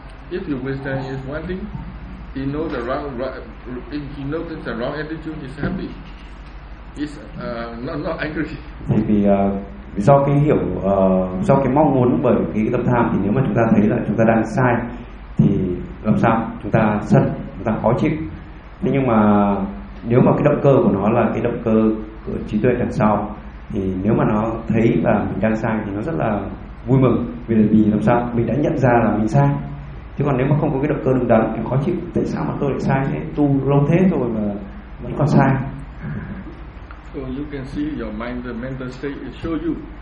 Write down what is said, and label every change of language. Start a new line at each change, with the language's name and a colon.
English: If your wisdom is one thing, he know the wrong, he know that the wrong attitude is happy, is not angry.
Vietnamese: Thì vì do cái hiểu, do cái mong muốn bởi cái tâm tham, thì nếu mà chúng ta thấy là chúng ta đang sai thì làm sao chúng ta sân, chúng ta khó chịu. Thế nhưng mà nếu mà cái động cơ của nó là cái động cơ của trí tuệ đằng sau, thì nếu mà nó thấy là mình đang sai thì nó rất là vui mừng, vì làm sao mình đã nhận ra là mình sai. Chứ còn nếu mà không có cái động cơ đúng đắn thì khó chịu, tại sao mà tôi lại sai thế, tu lâu thế rồi mà vẫn còn sai.
English: So you can see your mind, the mental state is show you.